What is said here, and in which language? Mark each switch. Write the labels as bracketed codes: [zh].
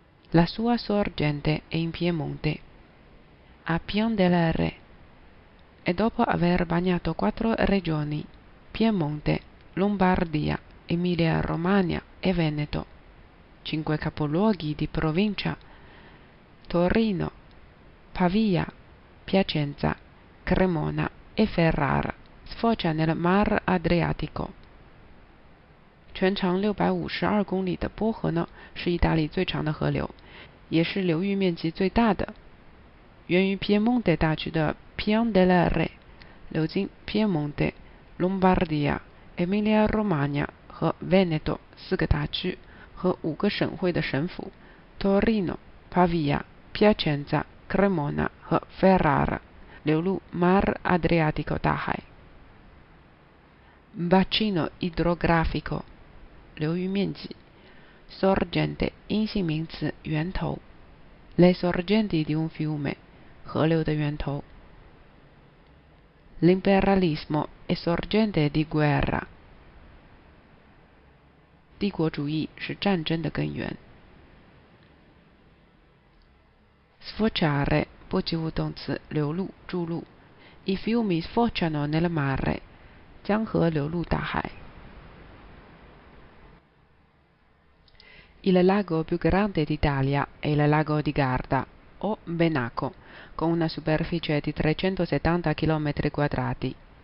[it] La sua sorgente è in Piemonte, a Pian del Re, e dopo aver bagnato quattro regioni, Piemonte, Lombardia, Emilia-Romagna e Veneto, cinque capoluoghi di provincia, Torino, Pavia, Piacenza, Cremona e Ferrara, sfocia nel Mar Adriatico. [zh] 全长652公里的波河呢，是意大利最长的河流，也是流域面积最大的。源于皮耶蒙特大区的 Pian del Re，流经皮耶蒙特、隆巴尔迪亚、Emilia-Romagna 和 Veneto 四个大区和五个省会的省府：Torino、Pavia、Piacenza、Cremona 和 Ferrara 流入 Mar Adriatico 大海。 [it] Bacino idrografico [zh] 流域面积， [it] sorgente [zh] 阴性名词源头， [it] le sorgenti di un fiume [zh] 河流的源头， [it] l'imperialismo è sorgente di guerra。 [zh] 帝国主义是战争的根源。 Sfociare 不及物动词，流入、注入。 [it] I fiumi sfociano nel mare， [zh] 江河流入大海。 [it] Il lago più grande d'Italia è il lago di Garda, o Benaco, con una superficie di 370 km quadrati.